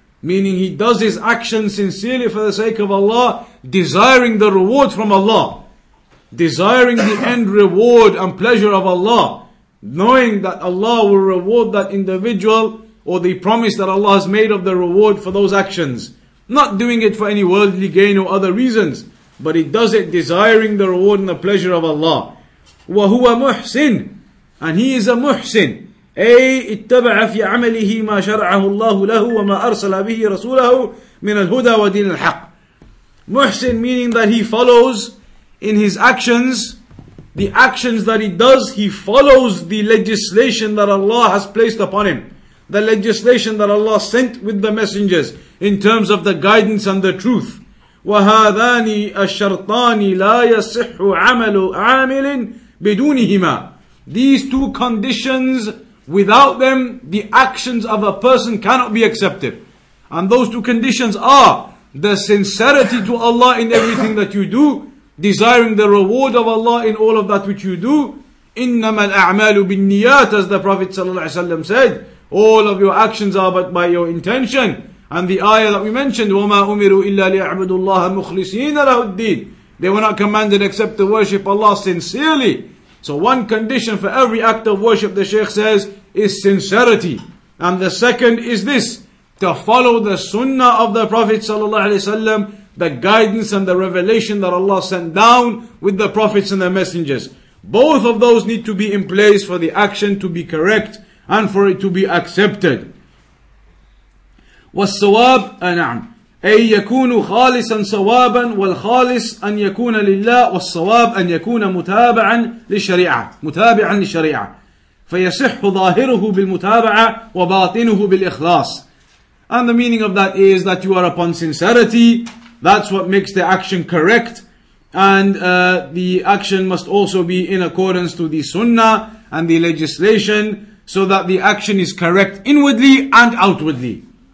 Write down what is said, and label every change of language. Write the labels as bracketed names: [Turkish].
[English] Meaning he does his action sincerely for the sake of Allah, desiring the reward from Allah, desiring the end reward and pleasure of Allah, knowing that Allah will reward that individual, or the promise that Allah has made of the reward for those actions. Not doing it for any worldly gain or other reasons, but he does it desiring the reward and the pleasure of Allah. [Arabic] وَهُوَ مُحْسِنٌ, [English] and he is a muhsin. [Arabic] أي اتبع في عمله ما شرعه الله له وما أرسل به رسوله من الهدى ودين الحق. [English] محسن meaning that he follows in his actions, the actions that he does, he follows the legislation that Allah has placed upon him, the legislation that Allah sent with the messengers in terms of the guidance and the truth. [Arabic] وهذان الشرطان لا يصح عمل عامل بدونهما. [English] These two conditions, without them, the actions of a person cannot be accepted. And those two conditions are the sincerity to Allah in everything that you do, desiring the reward of Allah in all of that which you do. [Arabic] إِنَّمَا الْأَعْمَالُ بِالنِّيَاتِ, [English] as the Prophet ﷺ said, all of your actions are but by your intention. And the ayah that we mentioned, [Arabic] وَمَا أُمِرُوا إِلَّا لِيَعْبُدُوا اللَّهَ مُخْلِصِينَ لَهُ الدِّينَ, [English] they were not commanded except to worship Allah sincerely. So one condition for every act of worship, the Shaykh says, is sincerity. And the second is this, to follow the sunnah of the Prophet ﷺ, the guidance and the revelation that Allah sent down with the prophets and the messengers. Both of those need to be in place for the action to be correct and for it to be accepted. [Arabic] والصواب أنعم أي يكون خالصا صوابا والخالص أن يكون لله والصواب أن يكون متابعا للشريعة متابعا للشريعة فيصح ظاهره بالمتابعة وباطنه بالإخلاص. [English] And the meaning of that is that you are upon sincerity. That's what makes the action correct. And the action must also be in accordance to the sunnah and the legislation, so that the action is correct inwardly and outwardly.